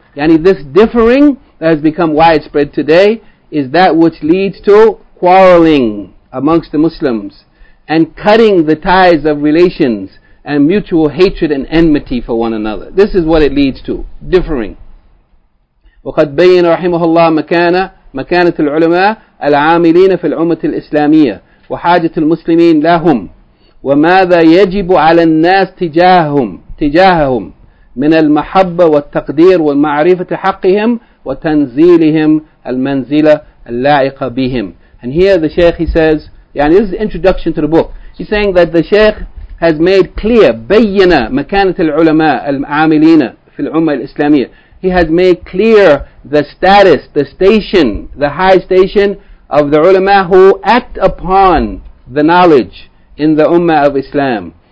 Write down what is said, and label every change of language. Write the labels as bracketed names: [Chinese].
[English] Yani this differing that has become widespread today is that which leads to quarreling amongst the Muslims, and cutting the ties of relations, and mutual hatred and enmity for one another. This is what it leads to, differing. [Arabic] وقد بين رحمه الله مكانة العلماء العاملين في الأمة الإسلامية وحاجة المسلمين لهم وماذا يجب على الناس تجاههم من المحبة والتقدير والمعرفة حقهم وتنزيلهم المنزلة اللائقة بهم. [English] And here the Shaykh, he says, يعني this is the introduction to the book. He's saying that the Shaykh has made clear, [Arabic] بينا مكانة العلماء العاملين في الأمة الإسلامية. [English] He has made clear the status, the station, the high station of the ulama who act upon the knowledge in the Ummah of Islam.